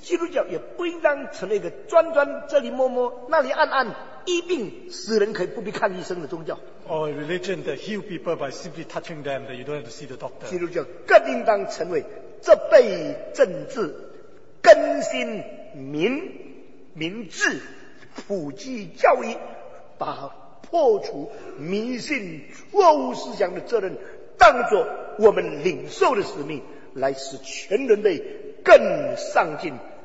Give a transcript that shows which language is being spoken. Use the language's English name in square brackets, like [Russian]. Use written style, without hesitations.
[Chinese] 基督教也不应当成了一个专专这里摸摸，那里按按。医病使人可以不必看医生的宗教。 [English] Or a religion that heals people by simply touching them, that you don't have to see the doctor. [Chinese] 基督教更应当成为这辈政治更新民智普及教育，把破除迷信错误思想的责任当作我们领受的使命，来使全人类更上进。